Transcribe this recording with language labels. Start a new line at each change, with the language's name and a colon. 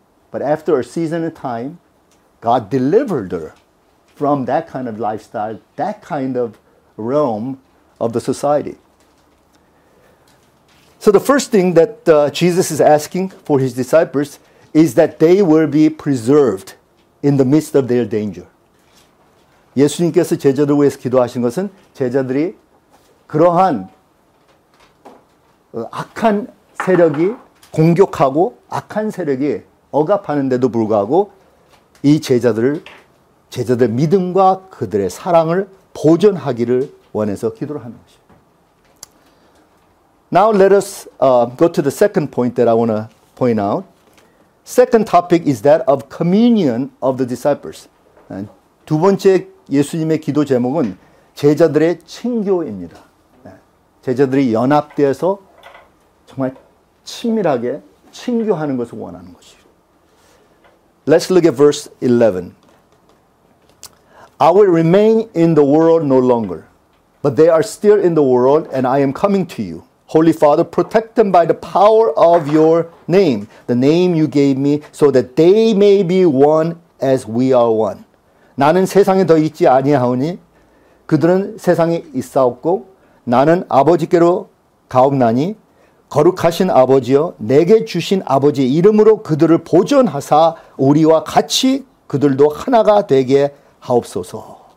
English: But after a season of time, God delivered her from that kind of lifestyle, that kind of realm of the society. So the first thing that Jesus is asking for his disciples is that they will be preserved in the midst of their danger.
Korean: 예수님께서 제자들을 위해서 기도하신 것은 제자들이 그러한 악한 세력이 공격하고 악한 세력이 억압하는데도 불구하고 이 제자들의 믿음과 그들의 사랑을 보존하기를 원해서 기도를 하는 것입니다.
English: Now let us go to the second point that I want to point out. Second topic is that of communion of the disciples.
Korean: 두 번째 예수님의 기도 제목은 제자들의 친교입니다. 제자들이 연합되어서 정말 친밀하게 친교하는 것을 원하는 것이죠.
English: Let's look at verse 11. I will remain in the world no longer, but they are still in the world, and I am coming to you. Holy Father, protect them by the power of your name, the name you gave me, so that they may be one as we are one.
Korean: 나는 세상에 더 있지 아니하오니 그들은 세상에 있사옵고 나는 아버지께로 가옵나니 거룩하신 아버지여 내게 주신 아버지의 이름으로 그들을 보존하사 우리와 같이 그들도 하나가 되게 하옵소서.